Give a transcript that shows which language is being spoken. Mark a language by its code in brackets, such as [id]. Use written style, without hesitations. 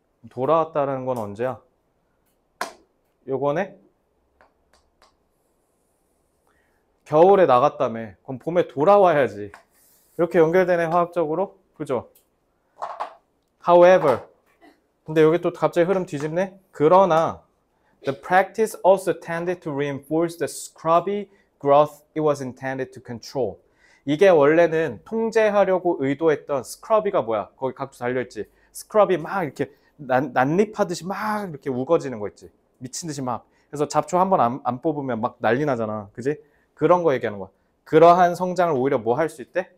[ko] 돌아왔다라는 건 언제야? 요번에? 겨울에 나갔다며. 그럼 봄에 돌아와야지. 이렇게 연결되네, 화학적으로. 그죠? However. 근데 여기 또 갑자기 흐름 뒤집네? 그러나. [en] The practice also tended to reinforce the scrubby growth it was intended to control. [ko] 이게 원래는 통제하려고 의도했던 스크러비가 뭐야? 거기 각주 달려있지. 스크러비 막 이렇게 난립하듯이 막 이렇게 우거지는 거 있지. 미친 듯이 막. 그래서 잡초 한번 안 뽑으면 막 난리 나잖아. 그지? 그런 거 얘기하는 거야. 그러한 성장을 오히려 뭐할수 있대?